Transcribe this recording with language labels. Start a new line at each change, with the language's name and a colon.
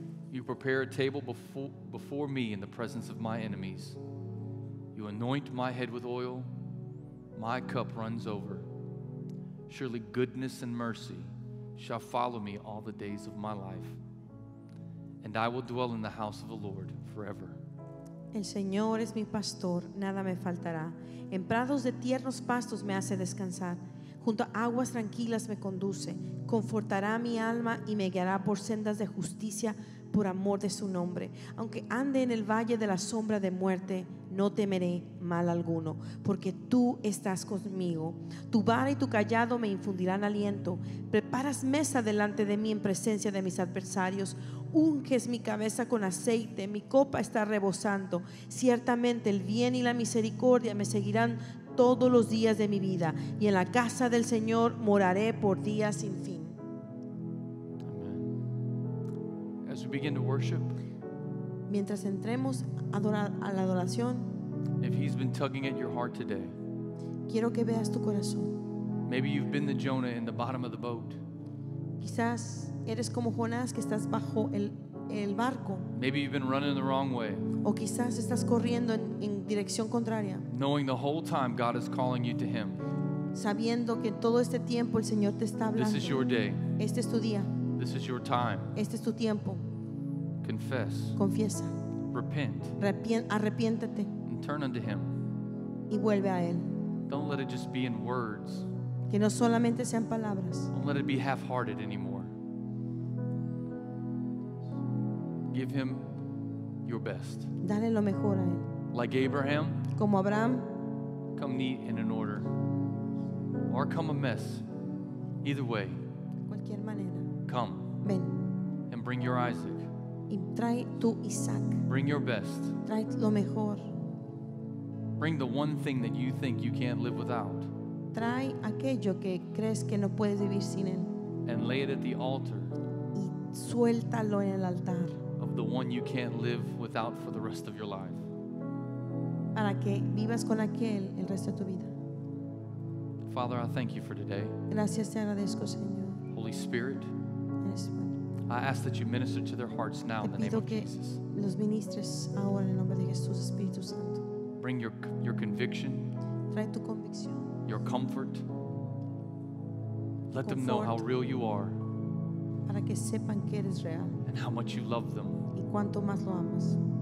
English: You prepare a table before me in the presence of my enemies. You anoint my head with oil, my cup runs over. Surely goodness and mercy shall follow me all the days of my life. And I will dwell in the house of the Lord forever.
Spanish: El Señor es mi pastor, nada me faltará. En prados de tiernos pastos me hace descansar. Junto a aguas tranquilas me conduce. Confortará mi alma y me guiará por sendas de justicia por amor de su nombre. Aunque ande en el valle de la sombra de muerte, no temeré mal alguno, porque tú estás conmigo. Tu vara y tu cayado me infundirán aliento. Preparas mesa delante de mí en presencia de mis adversarios. Unges mi cabeza con aceite, mi copa está rebosando. Ciertamente el bien y la misericordia me seguirán todos los días de mi vida, y en la casa del Señor moraré por días sin fin.
English: Amen. As we begin to worship,
Spanish: mientras entremos a la adoración,
English: if he's been tugging at your heart today,
Spanish: quiero que veas tu corazón.
English: Maybe you've been the Jonah in the bottom of the boat.
Spanish: Quizás eres como Jonás que estás bajo el barco.
English: Maybe you've been running the wrong way.
Spanish: O quizás estás corriendo en dirección contraria.
English: Knowing the whole time God is calling you to him.
Spanish: Sabiendo que todo este tiempo el Señor te está hablando.
English: This is your day.
Spanish: Este es tu día.
English: This is your time.
Spanish: Este es tu tiempo.
English: Confess.
Spanish: Confiesa.
English: Repent.
Spanish: Arrepiéntete.
English: And turn unto him.
Spanish: Y vuelve a él.
English: Don't let it just be in words.
Spanish: Que no solamente sean palabras.
English: Don't let it be half-hearted anymore. Give him your best.
Spanish: Dale lo mejor a él.
English: Like Abraham.
Spanish: Como Abraham.
English: Come neat and in order. Or come a mess. Either way.
Spanish: Cualquier manera.
English: Come.
Spanish: Ven.
English: And bring your Isaac.
Spanish: Y trae tu Isaac.
English: Bring your best.
Spanish: Trae lo mejor.
English: Bring the one thing that you think you can't live without.
Spanish: Trae aquello que crees que no puedes vivir sin él.
English: And lay it at the altar.
Spanish: Y suéltalo en el altar.
English: The one you can't live without for the rest of your life.
Spanish: Para que vivas con aquel el resto de tu vida.
English: Father, I thank you for today.
Spanish: Gracias te agradezco, Señor.
English: Holy Spirit, I ask that you minister to their hearts now in the name of Jesus.
Spanish: Los ministres ahora en el nombre de Jesús, Espíritu Santo.
English: Bring your conviction.
Spanish: Trae tu convicción.
English: Your comfort. Let them know how real you are.
Spanish: Para que sepan que eres real.
English: And how much you love them.
Spanish: Y cuánto más lo amas.